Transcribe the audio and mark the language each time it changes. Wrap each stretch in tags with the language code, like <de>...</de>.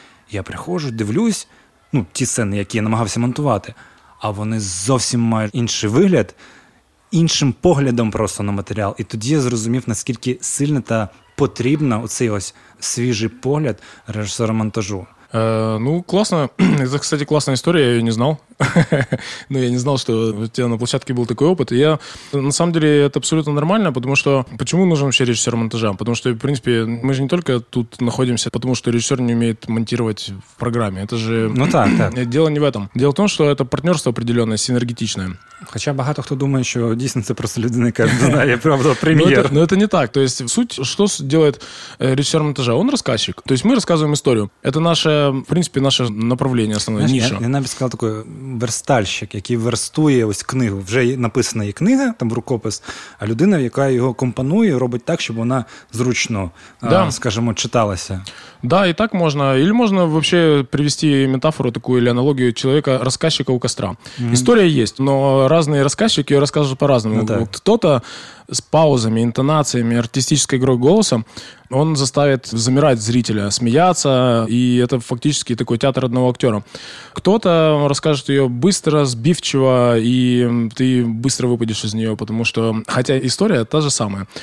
<uk>Я приходжу, дивлюсь, ті сцени, які я намагався монтувати, а вони зовсім мають інший вигляд, іншим поглядом просто на матеріал. І тоді я зрозумів, наскільки сильно та потрібна оцей ось свіжий погляд режисера монтажу. Класно. Це, кстати, класна історія, я її не знав. я не знав,</uk> <ru>что у тебя на площадке был такой опыт. Я, на самом деле, это абсолютно нормально, потому что... Почему нужен вообще режиссер монтажа? Потому что, в принципе, мы же не только тут находимся, потому что режиссер не умеет монтировать в программе. Это же... Так. Дело не в этом. Дело в том, что это партнерство определенное, синергетичное. Хотя багато кто думает, что действительно это просто людина, которая, правда, премьер. Но это не так. То есть суть, что делает режиссер монтажа? Он рассказчик. То есть мы рассказываем историю. Это наше, в принципе, наше направление основное, ниша. Я наверное сказал такое...</ru> <uk>верстальщик, який верстує ось книгу. Вже написана є книга, там рукопис, а людина, яка його компонує, робить так, щоб вона зручно, скажімо, читалася. Да, і так можна. Или можна вообще привести метафору таку, или аналогію чоловіка, розказчика у костра. Mm-hmm. Історія є, но різні розказчики її розказують по-разному.</uk> <ru>Хто-то с паузами, интонациями, артистической игрой голоса, он заставит замирать зрителя, смеяться, и это фактически такой театр одного актера. Кто-то расскажет ее быстро, сбивчиво, и ты быстро выпадешь из нее, потому что, хотя история та же самая.</ru>